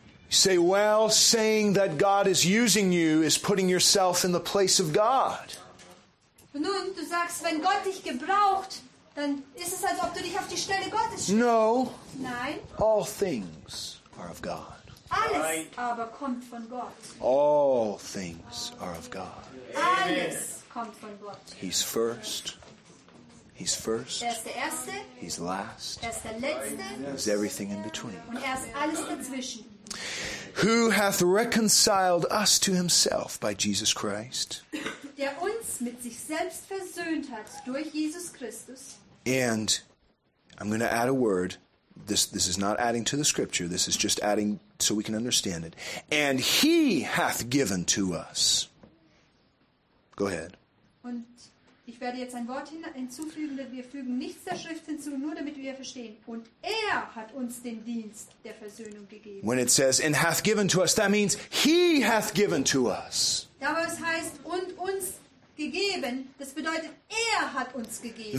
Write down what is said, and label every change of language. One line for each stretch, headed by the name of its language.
English: You say, well, saying that God is using you is putting yourself in the place of God.
German: Nun, du sagst, wenn Gott dich gebraucht, dann ist es, als ob du dich auf die Stelle Gottes stellst.
English: No.
German: Nein.
English: All things are of God.
German: Alles aber kommt von Gott.
English: All things are of God.
German: Alles. Gott.
English: He's first. He's first.
German: Er ist der Erste.
English: He's last.
German: Er ist der Letzte.
English: He's everything in between.
German: Und er ist alles dazwischen.
English: Who hath reconciled us to himself by Jesus Christ?
German: Der uns mit sich selbst versöhnt hat durch Jesus Christus.
English: And I'm going to add a word. This is not adding to the scripture. This is just adding so we can understand it. And He hath given to us. Go ahead.
German: Und ich werde jetzt ein Wort hinzufügen, denn wir fügen nichts der Schrift hinzu, nur damit wir verstehen. Und er hat uns den Dienst der Versöhnung gegeben.
English: When it says, and hath given to us, that means He hath given to us.
German: Da was heißt, und uns gegeben, das bedeutet, er hat uns gegeben.